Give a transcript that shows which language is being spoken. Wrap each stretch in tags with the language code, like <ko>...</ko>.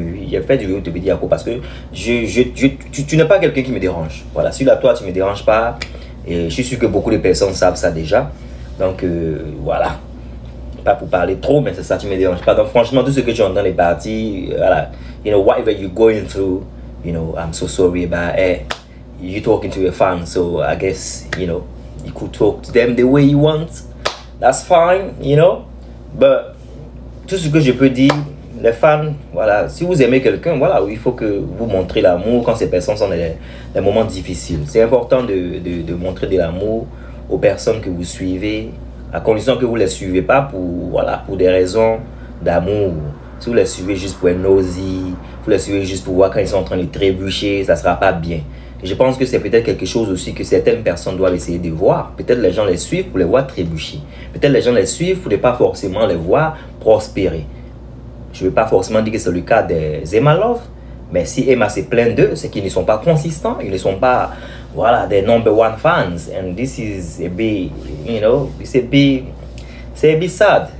<fr>J'ai fait une vidéo pour te dire yako parce que tu n'es pas quelqu'un qui me dérange. Voilà, si là toi tu me déranges pas. Et je suis sûr que beaucoup de personnes savent ça déjà. Donc, voilà. Pas pour parler trop, mais c'est ça, tu me déranges pas. Donc, franchement, tout ce que tu entends les parties, voilà.</fr> <en>You know, whatever you're going through, you know, I'm so sorry about it. You're talking to your fans, so I guess, you know, you could talk to them the way you want. That's fine, you know. But,</en> <fr>tout ce que je peux dire, les fans, voilà, si vous aimez quelqu'un, voilà, il faut que vous montrez l'amour quand ces personnes sont dans des moments difficiles. C'est important de montrer de l'amour aux personnes que vous suivez, à condition que vous ne les suivez pas pour, voilà, pour des raisons d'amour. Si vous les suivez juste pour être nosy, vous les suivez juste pour voir quand ils sont en train de trébucher, ça ne sera pas bien. Et je pense que c'est peut-être quelque chose aussi que certaines personnes doivent essayer de voir. Peut-être les gens les suivent pour les voir trébucher. Peut-être les gens les suivent pour ne pas forcément les voir prospérer. Je ne veux pas forcément dire que c'est le cas des Emma Love, mais si Emma s'est plaint d'eux, c'est qu'ils ne sont pas consistants, ils ne sont pas, voilà, des</fr> <en>number one fans. And this is a bit, you know, it's a bit sad.</en>